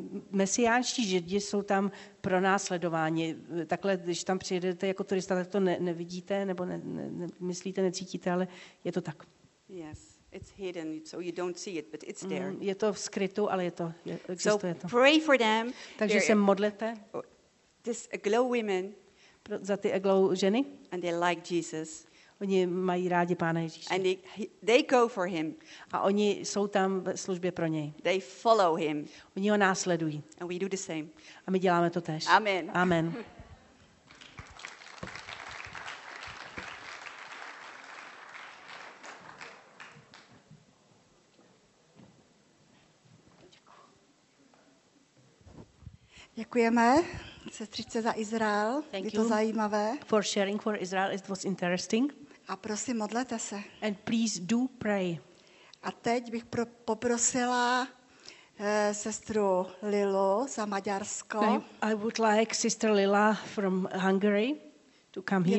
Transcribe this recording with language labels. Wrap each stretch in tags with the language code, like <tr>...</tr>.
<cs>Mesiánští židi jsou tam pro následování. Takhle, když tam přijedete jako turista, tak to nevidíte, nebo myslíte, necítíte, ale je to tak.</cs> <en>Yes, it's hidden, so you don't see it, but it's there.</en> <cs>Je to v skrytu, ale existuje to.</cs> <en>So pray for them.</en> <cs>Takže se modlete.</cs> <en>This aglow women.</en> <cs>Za ty aglow ženy.</cs> <en>And they like Jesus.</en> <cs>Oni mají rádi Pána Ježíše.</cs> <en>And they go for him.</en> <cs>A oni jsou tam ve službě pro něj.</cs> <en>They follow him.</en> <cs>Oni ho následují.</cs> <en>And we do the same.</en> <cs>A my děláme to též.</cs> <en>Amen.</en> <cs>Amen. Děkujeme. Sestřice za Izrael.</cs> <en>Thank</en> <cs>je to</cs> <en>you</en> <cs>zajímavé.</cs> <en>For sharing for Israel, it was interesting.</en> <cs>A prosím, modlete se.</cs> <en>And please do pray.</en> <cs>A teď bych poprosila sestru Lilu za Maďarsko.</cs> <en>I would like sister Lila from Hungary to come here.</en>